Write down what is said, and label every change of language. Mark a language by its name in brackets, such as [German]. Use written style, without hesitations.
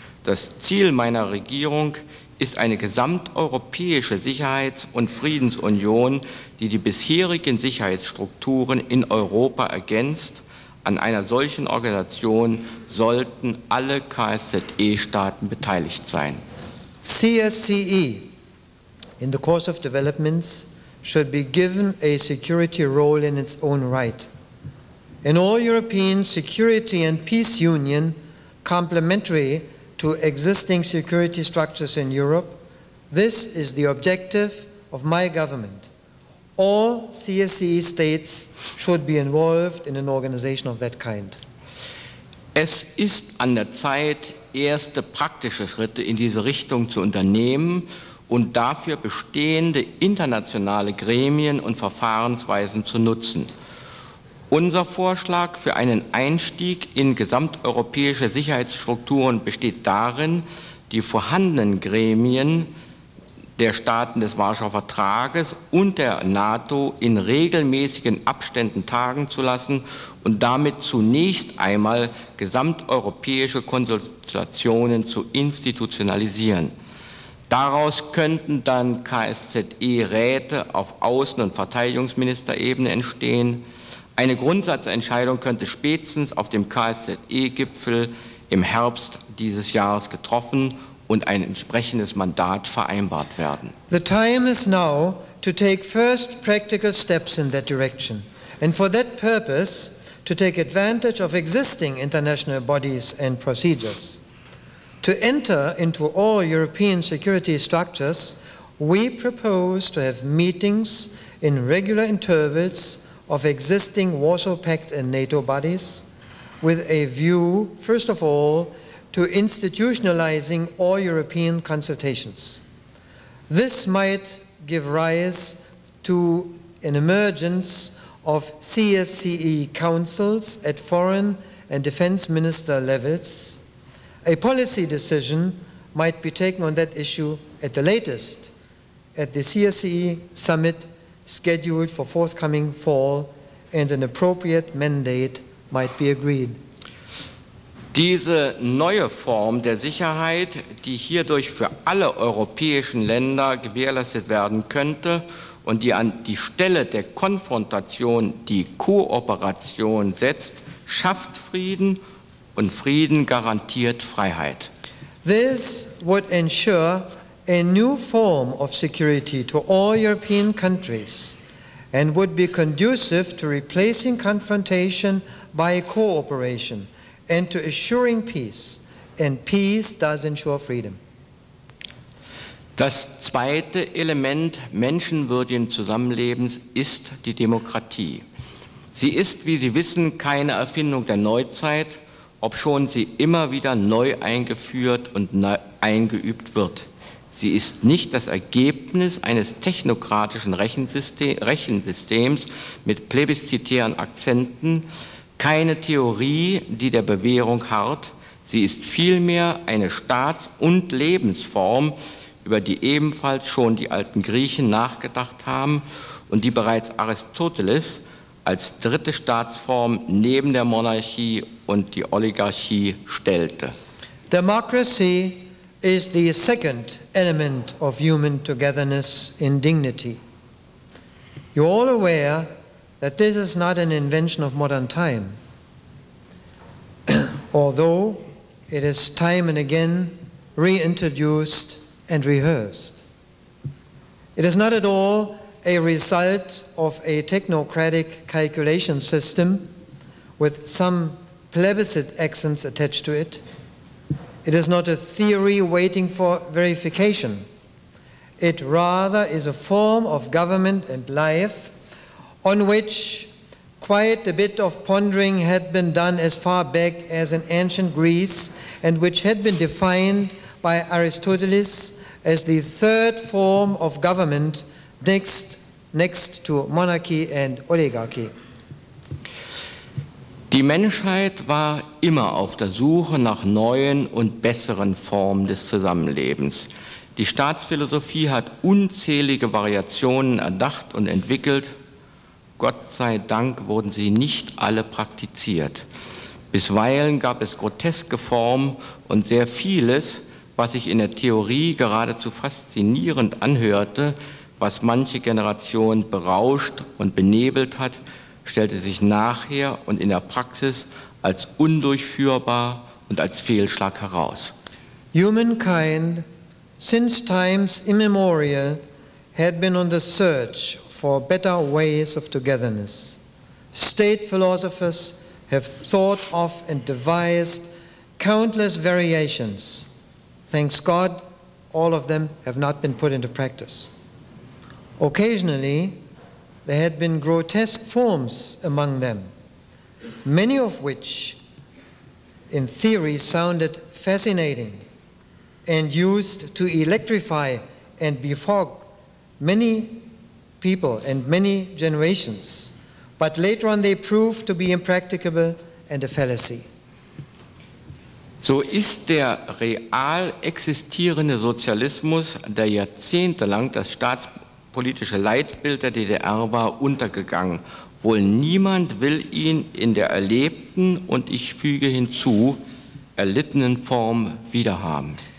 [German] Das Ziel meiner Regierung ist eine gesamteuropäische Sicherheits- und Friedensunion, die die bisherigen Sicherheitsstrukturen in Europa ergänzt. An einer solchen Organisation sollten alle KSZE-Staaten beteiligt sein. [English] CSCE, in the course of developments, should be given a security role in its own right. An all-European security and peace union, complementary to existing security structures in Europe, this is the objective of my government. All CSCE states should be involved in an organization of that kind. [German] Es ist an der Zeit, erste praktische Schritte in diese Richtung zu unternehmen und dafür bestehende internationale Gremien und Verfahrensweisen zu nutzen. Unser Vorschlag für einen Einstieg in gesamteuropäische Sicherheitsstrukturen besteht darin, die vorhandenen Gremien der Staaten des Warschauer Vertrages und der NATO in regelmäßigen Abständen tagen zu lassen und damit zunächst einmal gesamteuropäische Konsultationen zu institutionalisieren. Daraus könnten dann KSZE-Räte auf Außen- und Verteidigungsministerebene entstehen. Eine Grundsatzentscheidung könnte spätestens auf dem KSZE-Gipfel im Herbst dieses Jahres getroffen und ein entsprechendes Mandat vereinbart werden. [English] The time is now to take first practical steps in that direction and for that purpose to take advantage of existing international bodies and procedures. To enter into all European security structures, we propose to have meetings in regular intervals of existing Warsaw Pact and NATO bodies with a view, first of all, to institutionalizing all European consultations. This might give rise to an emergence of CSCE councils at foreign and defense minister levels. A policy decision might be taken on that issue at the latest at the CSCE summit scheduled for forthcoming fall, and an appropriate mandate might be agreed. [German] Diese neue Form der Sicherheit, die hierdurch für alle europäischen Länder gewährleistet werden könnte und die an die Stelle der Konfrontation die Kooperation setzt, schafft Frieden und Frieden garantiert Freiheit. [English] This would ensure a new form of security to all European countries and would be conducive to replacing confrontation by cooperation and to assuring peace, and peace does ensure freedom. [German] Das zweite Element menschenwürdigen Zusammenlebens ist die Demokratie. Sie ist, wie Sie wissen, keine Erfindung der Neuzeit, obschon sie immer wieder neu eingeführt und neu eingeübt wird. Sie ist nicht das Ergebnis eines technokratischen Rechensystems mit plebiszitären Akzenten, keine Theorie, die der Bewährung harrt. Sie ist vielmehr eine Staats- und Lebensform, über die ebenfalls schon die alten Griechen nachgedacht haben und die bereits Aristoteles als dritte Staatsform neben der Monarchie und die Oligarchie stellte. [English] Democracy is the second element of human togetherness in dignity. You're all aware that this is not an invention of modern time, although it is time and again reintroduced and rehearsed. It is not at all a result of a technocratic calculation system with some plebiscite accents attached to it. It is not a theory waiting for verification. It rather is a form of government and life on which quite a bit of pondering had been done as far back as in ancient Greece, and which had been defined by Aristoteles as the third form of government next to monarchy and oligarchy. [German] Die Menschheit war immer auf der Suche nach neuen und besseren Formen des Zusammenlebens. Die Staatsphilosophie hat unzählige Variationen erdacht und entwickelt. Gott sei Dank wurden sie nicht alle praktiziert. Bisweilen gab es groteske Formen und sehr vieles, was sich in der Theorie geradezu faszinierend anhörte, was manche Generation berauscht und benebelt hat, stellte sich nachher und in der Praxis als undurchführbar und als Fehlschlag heraus. [English] Humankind, since times immemorial, had been on the search for better ways of togetherness. State philosophers have thought of and devised countless variations. Thanks God, all of them have not been put into practice. Occasionally, there had been grotesque forms among them, many of which in theory sounded fascinating and used to electrify and befog many people and many generations, but later on they proved to be impracticable and a fallacy. [German] So ist der real existierende Sozialismus, der jahrzehntelang das staatspolitische Leitbild der DDR war, untergegangen. Wohl niemand will ihn in der erlebten und ich füge hinzu, erlittenen Form wiederhaben.